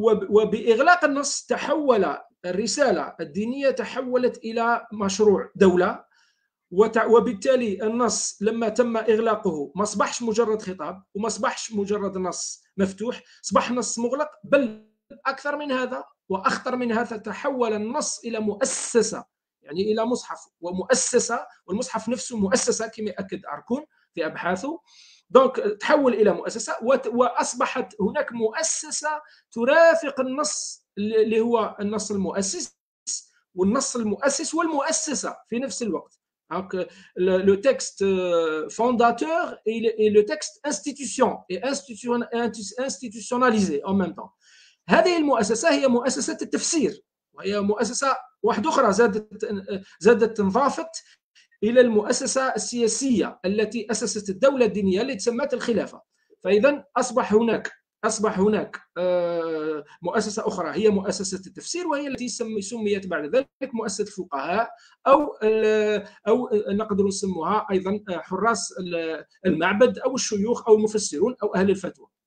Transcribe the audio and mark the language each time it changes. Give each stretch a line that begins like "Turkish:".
Arabic: وبإغلاق النص تحول الرسالة الدينية، تحولت إلى مشروع دولة، وبالتالي النص لما تم إغلاقه ما أصبحش مجرد خطاب، وما أصبحش مجرد نص مفتوح، أصبح نص مغلق، بل أكثر من هذا وأخطر من هذا، تحول النص إلى مؤسسة، يعني إلى مصحف ومؤسسة، والمصحف نفسه مؤسسة كما أكد أركون في أبحاثه. دونك تحول إلى مؤسسة، وأصبحت هناك مؤسسة ترافق النص اللي هو النص المؤسس، والنص المؤسس والمؤسسة في نفس الوقت.
French: Donc le texte fondateur et le texte institution et institutionnalisé en même temps.
Arabic: هذه المؤسسة هي مؤسسة التفسير، وهي مؤسسة واحدة أخرى زادت انضافت إلى المؤسسة السياسية التي أسست الدولة الدينية التي تسمت الخلافة. فإذا أصبح هناك مؤسسة أخرى هي مؤسسة التفسير، وهي التي سميت بعد ذلك مؤسسة الفقهاء، أو نقدر نسموها أيضا حراس المعبد أو الشيوخ أو المفسرون أو أهل الفتوى.